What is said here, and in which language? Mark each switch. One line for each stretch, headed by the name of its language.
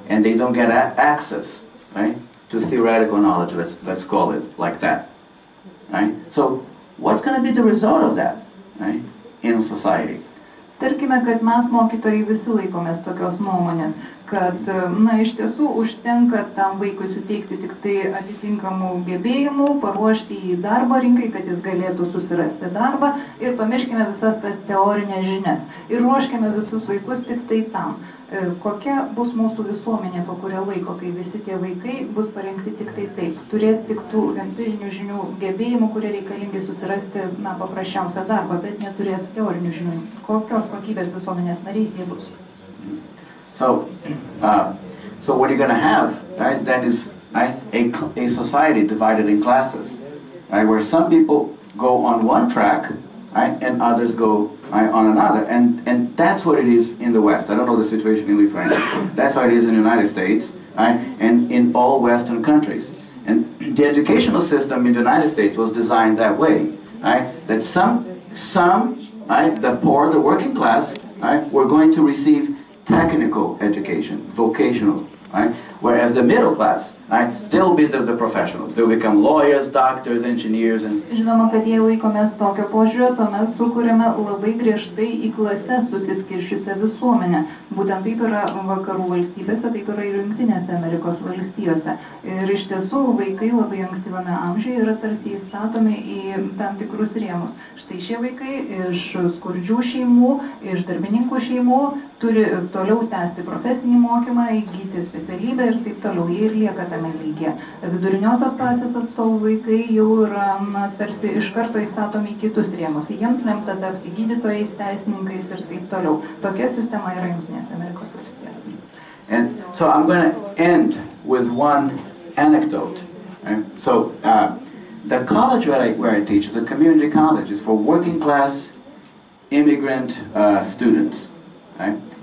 English: And they don't get access, right, to theoretical knowledge, let's call it like that, right? So, what's going to be the result of that, right, in a society?
Lithuanian: Tarkime, kad mes mokytojai visi laikomės tokios nuomonės, kad, na, iš tiesų užtenka tam vaikui suteikti tik tai atitinkamų gebėjimų, paruošti į darbo rinkai, kad jis galėtų susirasti darbą ir pamirškime visas tas teorinės žinias ir ruoškime visus vaikus tik tai tam. Kokia bus mūsų visuomenė, po kurio laiko, kai visi tie vaikai bus parengti tik tai taip, turės tik tų empirinių žinių gebėjimų, kurie reikalingi susirasti, na, paprasčiausią darbą, bet neturės teorinių žinių. Kokios kokybės visuomenės narys jie bus?
English: So what you're going to have, right, then is, right, a society divided in classes, right, where some people go on one track, right, and others go, right, on another. And that's what it is in the West. I don't know the situation in Lithuania. That's how it is in the United States, right, and in all Western countries. And the educational system in the United States was designed that way, right, that some, right, the poor, the working class, right, were going to receive technical education, vocational, right? Whereas the middle class, right, they'll be the professionals. They'll become lawyers, doctors, engineers, and...
Lithuanian: Žinoma, kad jie laikomės tokio požiūrio, tuomet sukūrėme labai griežtai į klasę susiskiršiusią visuomenę. Būtent taip yra vakarų valstybėse, taip yra ir Jungtinėse Amerikos valstijose. Ir iš tiesų, vaikai labai ankstyvame amžiuje yra tarsi įstatomi į tam tikrus rėmus. Štai šie vaikai iš skurdžių šeimų, iš darbininkų šeimų, turi toliau tęsti profesinį mokymą, įgyti specialybę ir taip toliau. Jie ir lieka tame lygyje. Viduriniosios klasės atstovų vaikai jau yra, na, tarsi iš karto įstatomi į kitus rėmus. Jiems lemta tapti gydytojais, teisininkais ir taip toliau. Tokia sistema yra Jungtinės Amerikos valstijos.
English: And so I'm going to end with one anecdote. So the college where I teach is a community college. It's for working class immigrant students. Right?